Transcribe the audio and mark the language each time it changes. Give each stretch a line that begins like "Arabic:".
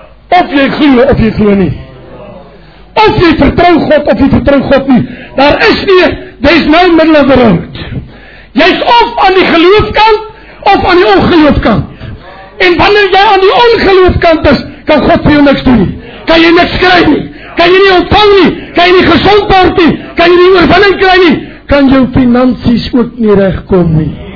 Afrikaans: Of jy geloof, of jy geloof nie. Of jy vertrouw God, of jy vertrouw God nie. Daar is nie,
English: there is no middle of the road.
Afrikaans: Jy is of aan die geloofkant, of aan die ongeloofkant. En wanneer jy aan die ongeloofkant is, kan God vir jou niks doen nie. Kan jy niks kry nie. Kan jy nie ontvang nie. Kan jy nie gezond word nie. Kan jy nie oorwinning kry nie. Kan jou finansies ook nie regkom nie.